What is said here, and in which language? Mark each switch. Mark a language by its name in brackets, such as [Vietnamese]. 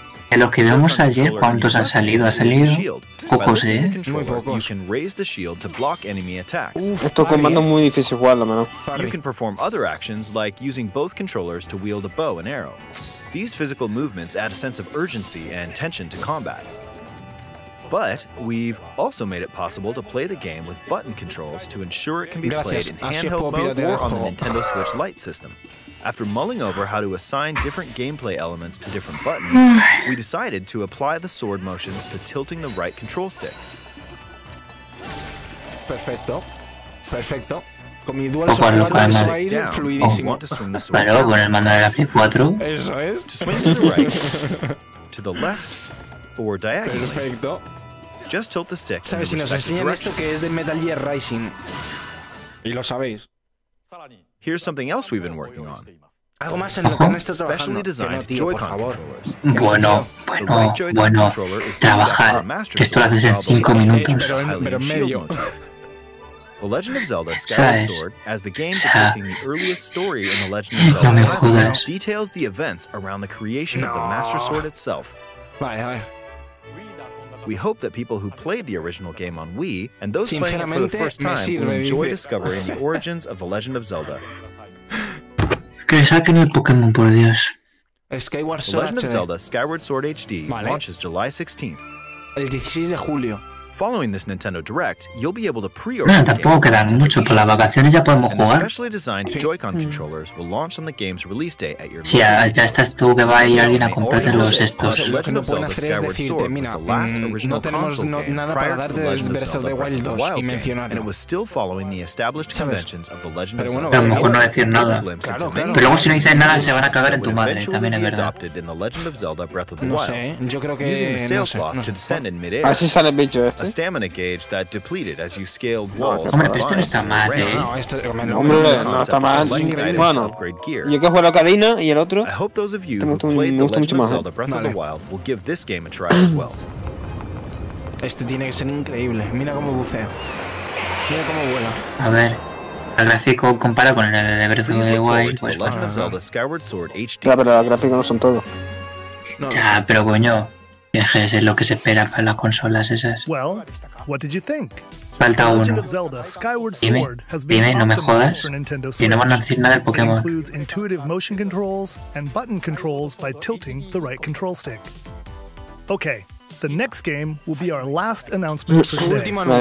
[Spanish] En los que vimos ayer, ¿cuántos han salido? Ha salido pocos, Muy pocos. [English] You can raise the shield to block enemy attacks. [Spanish] Esto comando muy difícil jugarlo, mano. [English] You can perform other actions like using both controllers to wield a bow and arrow. These physical movements add a sense of urgency and tension to combat. But we've also made it possible to play the game with button controls to ensure it can be played in handheld mode or on the Nintendo Switch Lite system. After mulling over how to assign different gameplay elements to different buttons, we decided to apply the sword motions to tilting the right control stick. [Spanish] Perfecto. Perfecto. Con mi dual sword va a ir fluidísimo. Para luego con el mando de la Play 4. Eso es. [English] To swing to the right, to the left, or diagonally. [Spanish] Perfecto. [English] Just tilt the stick. [Spanish] ¿Sabes si nos enseñan esto que es de Metal Gear Rising? Y lo sabéis. [English] Here's something else we've been working on. [Spanish] Algo más en lo que han estado trabajando. [English] Designed [Spanish] no, tío, Joy-Con por bueno, bueno, right bueno. Trabajar. Que esto lo haces en 5 minutos. Pero en medio. [English] The Legend of Zelda Skyward Sword, as the game depicting the earliest story in The Legend of Zelda, details the events around the creation of the Master Sword itself. We hope that people who played the original game on Wii, and those playing it for the first time, will enjoy discovering the origins of The Legend of Zelda. [Spanish] Que saquen el Pokémon, por Dios. [English] Skyward Sword The Legend of Zelda Skyward Sword HD launches July 16th. [Spanish] El 16 de julio. [English] Following this Nintendo Direct, you'll be able to pre-order. [Spanish] No, tampoco quedan mucho por las vacaciones, ya podemos jugar. [English] Especially designed Joy-Con controllers will launch on the game's release date at your. [Spanish] Sí, ya estás tú que va a ir alguien a comprarte los estos. Lo que no pueden hacer es decirte, mira, no tenemos nada para darte del Breath of the Wild 2 y mencionarlo. [English] And it was still following the established conventions of the Legend of Zelda. [Spanish] Pero a lo mejor no decir nada. Claro, claro. Pero luego si no dices nada se van a cagar en tu madre, también es verdad. No sé, yo creo que no sé. Así sale el bicho esto. [English] A stamina gauge that depleted as you scaled walls. [Spanish] Hombre, pero esto no está mal, No, está mal. Bueno, yo que juego la Ocarina y el otro. [English] I hope those of you who played The Legend of Zelda Breath of the Wild will give this game a try as well. [Spanish] Este tiene que ser increíble. Mira cómo bucea. Mira cómo vuela. A ver. El gráfico compara con el de Breath of the Wild, pues claro, pero los gráficos no son todo. Ya, pero coño, deje de ser lo que se espera para las consolas esas. [English] Well, what did you think? [Spanish] Falta uno. Dime, dime, no me jodas. Y no van a decir nada del Pokémon. [English] Includes intuitive motion controls and button controls by tilting the right control stick. Okay. The next game will be our last announcement for today.